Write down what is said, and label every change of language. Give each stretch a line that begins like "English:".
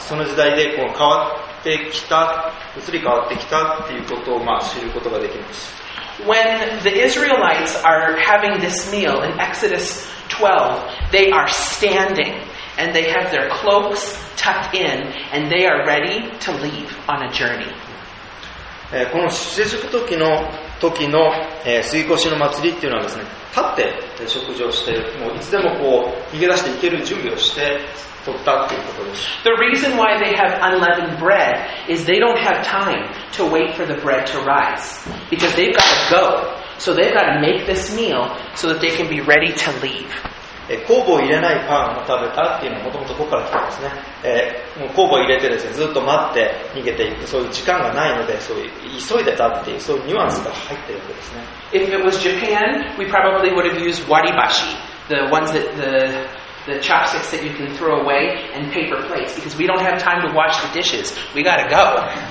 Japanese: その時代でこう変わってきた、移り変わってきたっていうことを、まあ、知ることができます。
English: When the Israelites are having this meal in Exodus 12, they are standing and they have their cloaks tucked in and they are ready to leave on a journey.
Japanese: この出エジプト記の時の過ぎ越しの祭りっていうのはですね、立って食事をして、もういつでもこう逃げ出していける準備をして取ったっていうことです。
English: The reason why they have unleavened bread is they don't have time to wait for the bread to rise because they've got to go. So they've got to make this meal so that they can be ready to leave.
Japanese: 酵母を入れないパンを食べたっていうのはもともとここから来たんですね。もう酵母を入れてですね、ずっと待って逃げていく、そういう時間がないので、そういう急いでたっていう、そういうニュアンスが入ってるわけですね。
English: If it was Japan, we probably would have used waribashi, the ones that the chopsticks that you can throw away and paper plates because we don't have time to wash the dishes. We gotta go.